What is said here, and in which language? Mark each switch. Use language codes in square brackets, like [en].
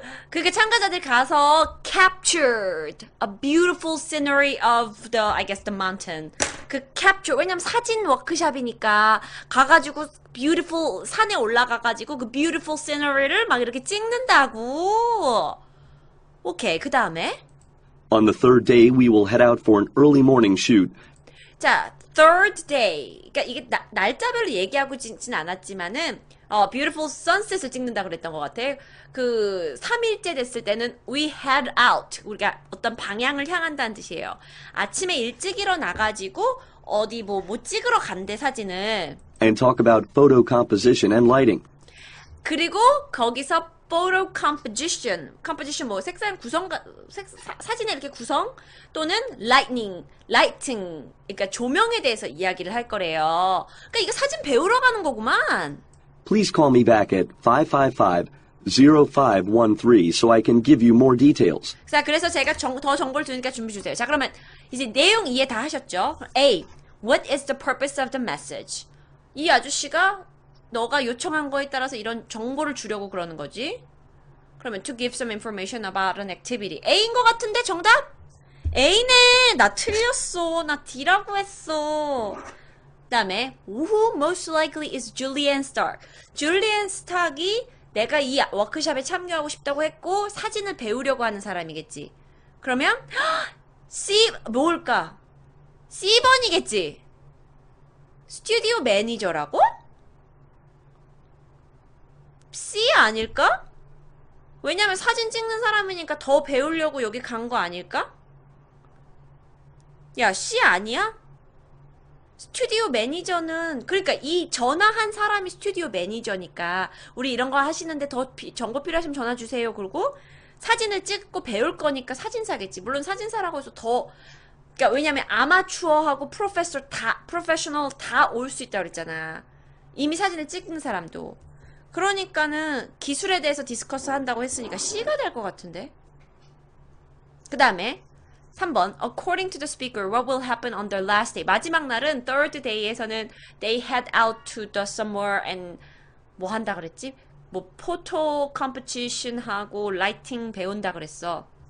[ko] 그게 참가자들 가서 [en] captured a beautiful scenery of the, I guess, the mountain. [ko] 그 capture, 왜냐면 사진 워크샵이니까 가가지고 beautiful 산에 올라가가지고 그 beautiful scenery를 막 이렇게 찍는다고. 오케이, 그 다음에 [en] On the third day, we will head out for an early morning shoot. 자, third day. [ko] 그러니까 이게 날짜별로 얘기하고 있진 않았지만은 beautiful sunset을 찍는다고 그랬던 것 같아. 그 3일째 됐을 때는 [en] we head out. [ko] 우리가 어떤 방향을 향한다는 뜻이에요. 아침에 일찍 일어나가지고 어디 뭐 찍으러 간대 사진을. [en] And talk about photo composition and lighting. [ko] 그리고 거기서 photo composition 뭐 색상 구성 사진의 이렇게 구성 또는 lighting 그러니까 조명에 대해서 이야기를 할 거래요. 그러니까 이거 사진 배우러 가는 거구만. [en] Please call me back at 555-0513 so I can give you more details. [ko] 자, 그래서 제가 더 정보를 주니까 준비 주세요. 자, 그러면 이제 내용 이해 다 하셨죠? [en] A. What is the purpose of the message? [ko] 이 아저씨가 너가 요청한 거에 따라서 이런 정보를 주려고 그러는 거지? 그러면 [en] to give some information about an activity. [ko] A인 것 같은데 정답? A네. 나 틀렸어. 나 D라고 했어. [en] 그다음에 who most likely is Julian Stark? [ko] Julian Stark이 내가 이 워크숍에 참여하고 싶다고 했고 사진을 배우려고 하는 사람이겠지. 그러면 C 뭘까? C번이겠지. 스튜디오 매니저라고? C 아닐까? 왜냐면 사진 찍는 사람이니까 더 배우려고 여기 간거 아닐까? 야, C 아니야? 스튜디오 매니저는, 그러니까 이 전화한 사람이 스튜디오 매니저니까, 우리 이런 거 하시는데 더 정보 필요하시면 전화 주세요. 그리고 사진을 찍고 배울 거니까 사진사겠지. 물론 사진사라고 해서 더, 그러니까 왜냐면 아마추어하고 프로페셔널 다올수 있다고 그랬잖아. 이미 사진을 찍는 사람도. 그러니까는 기술에 대해서 디스커스 한다고 했으니까 C가 될것 같은데. 그 다음에. [en] 3번, according to the speaker, what will happen on their last day? [ko] 마지막 날은 third day에서는 [en] they head out to the summer and [ko] 뭐 한다 그랬지? 뭐 photo competition 하고 lighting 배운다 그랬어.